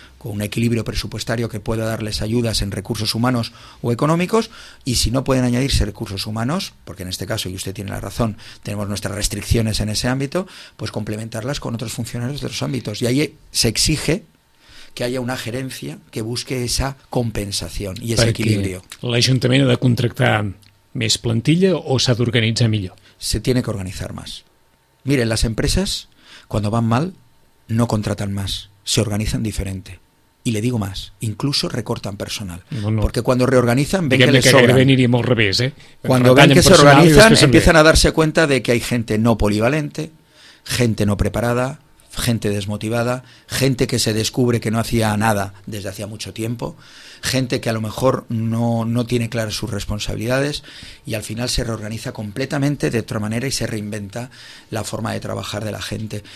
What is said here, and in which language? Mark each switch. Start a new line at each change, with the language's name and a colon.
Spanish: con un equilibrio presupuestario que pueda darles ayudas en recursos humanos o económicos, y si no pueden añadirse recursos humanos, porque en este caso, y usted tiene la razón, tenemos nuestras restricciones en ese ámbito, pues complementarlas con otros funcionarios de los ámbitos. Y ahí se exige que haya una gerencia que busque esa compensación y ese equilibrio.
Catalan: ¿L'Ajuntament ha de contractar més plantilla o s'ha d'organitzar millor?
Spanish: Se tiene que organizar más. Miren, las empresas, cuando van mal, no contratan más, se organizan diferente. Y le digo más, incluso recortan personal. No. Porque cuando reorganizan, ven que les sobran. Que iríamos al revés, ¿eh? Cuando ven que se organizan, empiezan a darse cuenta de que hay gente no polivalente, gente no preparada, gente desmotivada, gente que se descubre que no hacía nada desde hacía mucho tiempo, gente que a lo mejor no tiene claras sus responsabilidades, y al final se reorganiza completamente de otra manera y se reinventa la forma de trabajar de la gente.